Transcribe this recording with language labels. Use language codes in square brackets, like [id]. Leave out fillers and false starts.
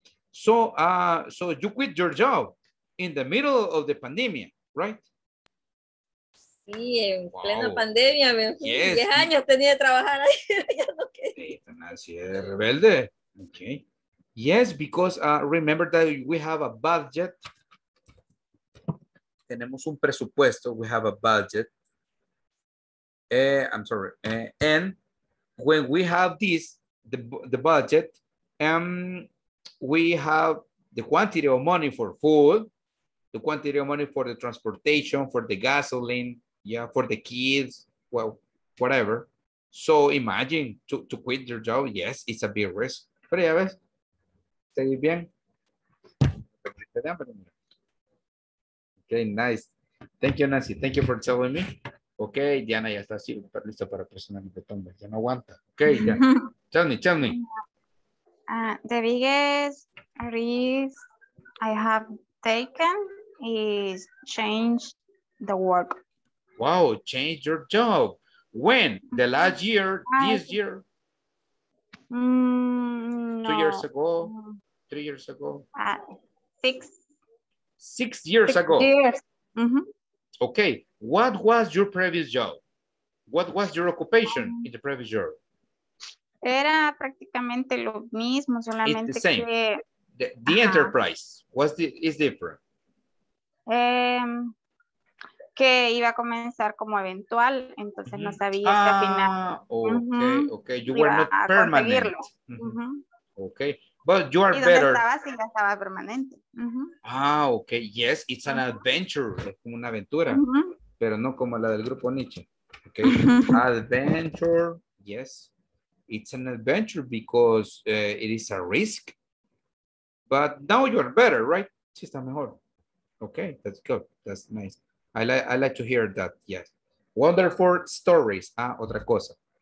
[en] So, so you quit your job in the middle of the pandemic, right? [es] Sí, en plena pandemia, 10 años tenía de trabajar ahí, ya no quería. Sí, rebelde. Okay. [en] Yes, because remember that we have a budget. [es] Tenemos un presupuesto. [en] We have a budget. And when we have this, the budget, we have the quantity of money for food, the quantity of money for the transportation, for the gasoline, yeah, for the kids, well, whatever. So imagine to quit your job. Yes, it's a big risk. [es] Pero ya ves, seguís bien. [en] Okay, nice. Thank you, [es] Nancy. [en] Thank you for telling me. [es] Okay, Diana ya está así, listo para presionar el botón. Ya no aguanta. Okay, ya. [en] Tell me. The biggest risk I have taken is change the work. Wow, change your job. When? The last year? This year? Six years ago. Years. Mm-hmm. Okay. What was your previous job? What was your occupation in the previous year? [es] Era prácticamente lo mismo, solamente [en] it's the same. [es] Que... [en] The enterprise is different. [es] Que iba a comenzar como eventual, entonces no sabía hasta final. [en] Okay. You were not permanent. Okay, but you are [es] ¿y [en] better. [es] Estaba, si ya estaba permanente. [en] Okay. Yes, it's an adventure. [es] Es como una aventura, pero no como la del grupo Nietzsche. [en] Okay, adventure. Yes, it's an adventure because it is a risk. But now you are better, right? [es] Sí, está mejor. [en] Okay, that's good. That's nice. I like to hear that, yes. Wonderful stories. [es] Ah, otra cosa.